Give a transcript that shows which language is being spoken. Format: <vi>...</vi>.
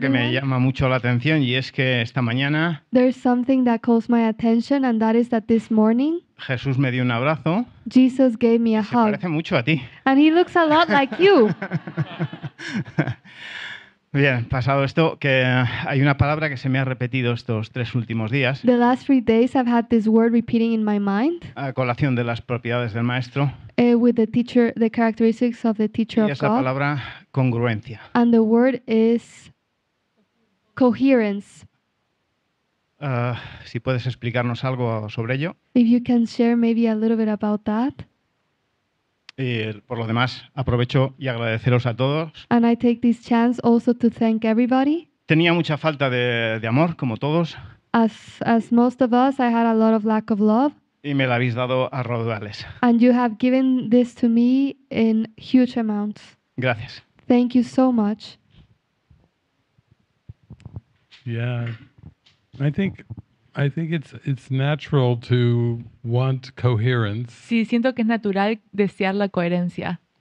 <es>Que me llama mucho la atención y es que esta mañana</es> <en>there's something that calls my attention and that is that this morning</en> <es>Jesús me dio un abrazo.</es> <en>Jesus gave me a</en> <es>hug. Se parece mucho a ti.</es> <en>And he looks a lot like you.</en> <es>Bien, pasado esto, que hay una palabra que se me ha repetido estos tres últimos días.</es> <en>The last three days I've had this word repeating in my mind.</en> <es>A colación de las propiedades del maestro.</es> <en>With the teacher, the characteristics of the teacher of God.</en> <es>Y es la palabra congruencia.</es> <en>And the word is coherence.</en> <es>Si puedes explicarnos algo sobre ello.</es> <en>If you can share maybe a little bit about that.</en> <es>Y por lo demás, aprovecho y agradeceros a todos.</es> <en>And I take this chance also to thank everybody.</en> <es>Tenía mucha falta de amor, como todos.</es> <en>As most of us, I had a lot of lack of love.</en> <es>Y me la habéis dado a raudales.</es> <en>And you have given this to me in huge amounts.</en> <es>Gracias.</es> <en>Thank you so much. Yeah, I think it's natural to want coherence.</en> <es>Sí, siento que es natural desear la coherencia.</es>